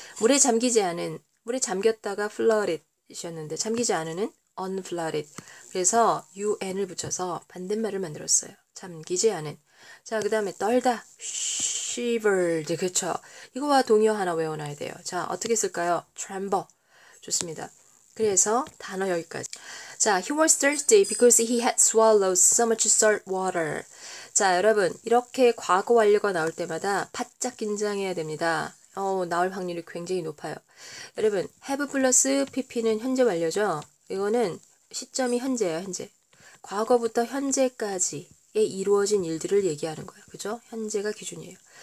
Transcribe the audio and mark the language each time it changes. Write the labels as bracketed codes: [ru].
[ko] 물에 잠기지 않은, 물에 잠겼다가 flooded이셨는데 잠기지 않은은 unflooded. 그래서 un을 붙여서 반대말을 만들었어요. 잠기지 않은. 자, 그다음에 떨다. shivered. 그렇죠? 이거와 동의어 하나 외워놔야 돼요. 자, 어떻게 쓸까요? tremble. 좋습니다. 그래서 단어 여기까지. [en] 자, he was thirsty because he had swallowed so much salt water. [ko] 자, 여러분 이렇게 과거 완료가 나올 때마다 바짝 긴장해야 됩니다. 나올 확률이 굉장히 높아요. 여러분 have 플러스 pp는 현재 완료죠? 이거는 시점이 현재예요, 현재. 과거부터 현재까지에 이루어진 일들을 얘기하는 거예요. 그죠? 현재가 기준이에요.